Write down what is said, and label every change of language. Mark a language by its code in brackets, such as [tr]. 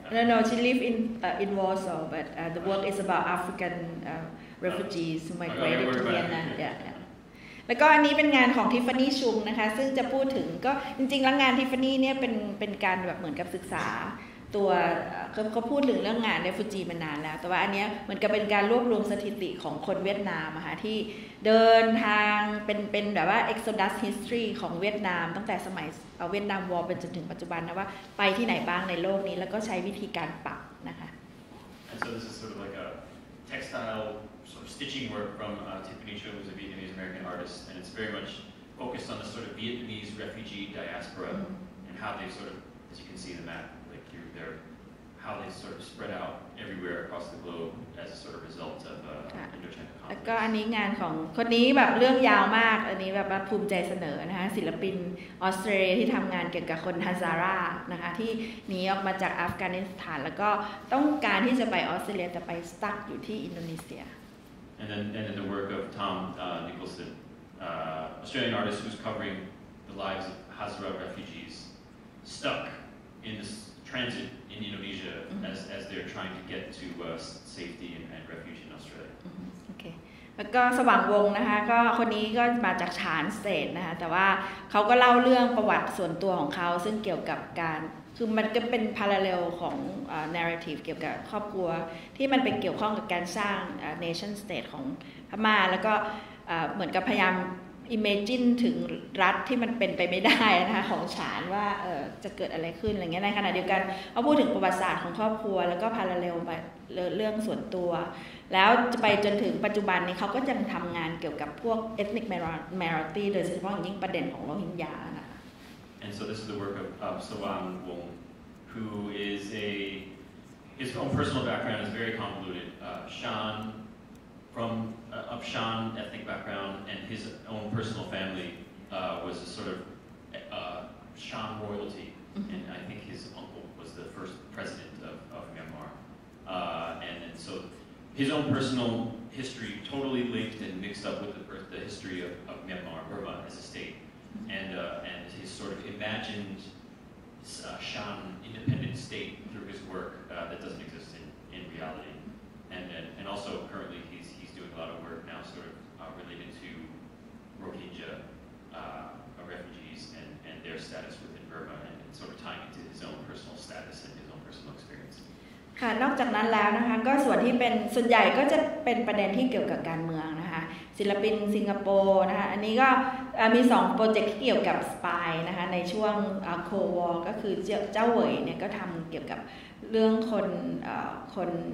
[en] No, she lives in Warsaw, but the work is about African refugees who migrated to Vienna. [th] แล้วก็อันนี้เป็นงานของทิฟฟานี่ชุงนะคะซึ่งจะพูดถึงก็จริงๆแล้วงานทิฟฟานี่เนี่ยเป็นการแบบเหมือนกับศึกษาตัวเขาพูดถึงเรื่องงานในฟูจิมานานแล้วแต่ว่าอันนี้เหมือนกับเป็นการรวบรวมสถิติของคนเวียดนามนะคะที่เดินทางเป็นแบบว่า [en] exodus history [th] ของเวียดนามตั้งแต่สมัยเวียดนามวอร์เป็นจนถึงปัจจุบันนะว่าไปที่ไหนบ้างในโลกนี้แล้วก็ใช้วิธีการปักนะคะ [en] And so this is sort of like a textileSort of stitching work from Tiffany Cho, who's a Vietnamese American artist, and it's very much focused on the sort of Vietnamese refugee diaspora and how they sort of, as you can see in the map, like you're there, how they sort of spread out everywhere across the globe as a sort of result of Indochina conflict. [th] แล้วก็อันนี้งานของคนนี้แบบเรื่องยาวมากอันนี้แบบภูมิใจเสนอนะคะศิลปินออสเตรเลียที่ทำงานเกี่ยวกับคนฮาซารานะคะที่หนีออกมาจากอัฟกานิสถานแล้วก็ต้องการที่จะไปออสเตรเลียแต่ไปสตั๊กอยู่ที่อินโดนีเซีย [en] And then the work of Tom Nicholson, Australian artist who's covering the lives of Hazara refugees stuck in this transit in Indonesia as they're trying to get to safety and refuge in Australia. Okay. [th] แล้วก็สว่างวงนะคะก็คนนี้ก็มาจากฉานสเตทนะคะแต่ว่าเขาก็เล่าเรื่องประวัติส่วนตัวของเขาซึ่งเกี่ยวกับการคือมันก็เป็นพาราเรลของnarrative เกี่ยวกับครอบครัวที่มันไปเกี่ยวข้องกับการสร้าง nation state ของพม่าแล้วก็เหมือนกับพยายาม imagine ถึงรัฐที่มันเป็นไปไม่ได้นะคะของฉานว่าจะเกิดอะไรขึ้นอะไรเงี้ยในขณะเดียวกันเขาพูดถึงประวัติศาสตร์ของครอบครัวแล้วก็พาราเรลไปเรื่องส่วนตัวแล้วจะไปจนถึงปัจจุบันนี้เขาก็ยังทำงานเกี่ยวกับพวก [en] ethnic minority [th] โดยเฉพาะยิ่งประเด็นของโรฮิงญาค่ะ [en] and so this is the work of Sawang Wong who is a his own personal background is very convoluted Shan from of Shan ethnic background and his own personal family was a sort of Shan royalty mm-hmm. and I think his uncle was the first president of Myanmar and so his own personal history totally linked and mixed up with the history of Myanmar, Burma as a state, and his sort of imagined Shan independent state through his work that doesn't exist in reality, and also currently he's doing a lot of work now sort of related to Rohingya refugees and their status within Burma and sort of tying into his own personal status and his own personal experience. [th] ค่ะนอกจากนั้นแล้วนะคะก็ส่วนที่เป็นส่วนใหญ่ก็จะเป็นประเด็นที่เกี่ยวกับการเมืองนะคะศิลปินสิงคโปร์นะคะอันนี้ก็มี2โปรเจกต์ที่เกี่ยวกับสปายนะคะในช่วงโควอลก็คือเจ้าเหวยเนี่ยก็ทำเกี่ยวกับเรื่องคน